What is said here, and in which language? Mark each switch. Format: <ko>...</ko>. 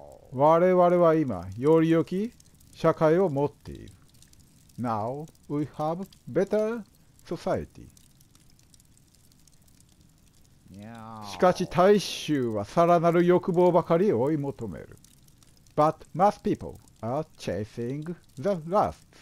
<ja>我々は今、より良き社会を持っている。</ja> <en>Now we have better society.</en> <ja>しかし大衆はさらなる欲望ばかり追い求める。</ja> <en>But mass people are chasing the lust.</en>